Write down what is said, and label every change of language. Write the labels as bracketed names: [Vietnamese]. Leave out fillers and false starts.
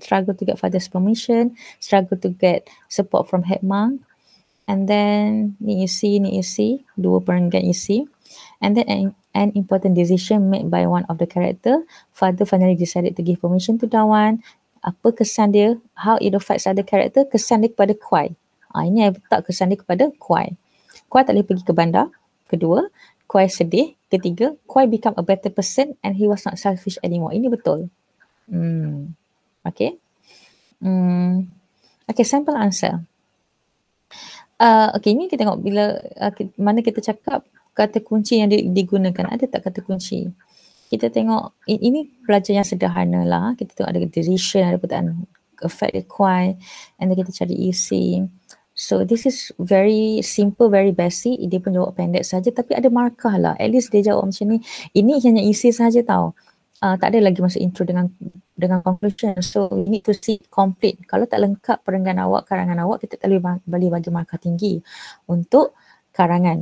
[English] Struggle to get father's permission. Struggle to get support from headmang. [Malay] And then, ni isi. Dua perenggan isi. [English] And then, an important decision made by one of the character. Father finally decided to give permission to Dawan. [Malay] Apa kesan dia? [English] How it affects other character? [Malay] Kesan dia kepada Kuai. Ini yang letak kesan dia kepada Kuai. Kuai tak boleh pergi ke bandar. Kedua, Kuai sedih. [English] Ketiga, Kuai become a better person and he was not selfish anymore. [Malay] Ini betul. Okay. Okay, sample answer. Okay, ini kita tengok bila mana kita cakap kata kunci yang digunakan. Ada tak kata kunci? Kita tengok, ini pelajar yang sederhana lah. Kita tengok ada decision, ada perkataan affect Kuai. And then kita cari isi. [English] So this is very simple, very basic. [Malay] Dia pun jawab pendek saja, tapi ada markah lah. At least dia jawab macam ni. Ini hanya isi saja tau. Tak ada lagi masuk intro dengan conclusion. [English] So we need to see complete. [Malay] Kalau tak lengkap perenggan awak, karangan awak, kita tak boleh bagi markah tinggi untuk karangan.